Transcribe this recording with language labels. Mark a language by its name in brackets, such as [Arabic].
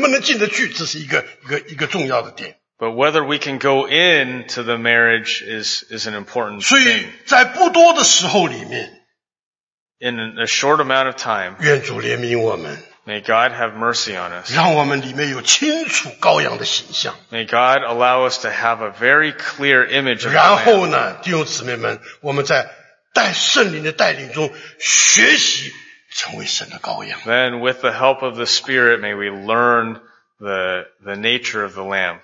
[Chinese] 那么关键在哪里,能不能进得去,这是一个重要的点。 [English] But whether we can go into the marriage is an important thing. [Chinese] 所以在不多的时候里面, [English] in a short amount of time, [Chinese] 愿主怜悯我们, [English] may God have mercy on us. [Chinese] 让我们里面有清楚羔羊的形象, [English] may God allow us to have a very clear image of [Chinese] 然后呢, 弟兄姊妹们, 我们在带圣灵的带领中学习成为神的羔羊。 [English] Then with the help of the Spirit, may we learn the nature of the Lamb.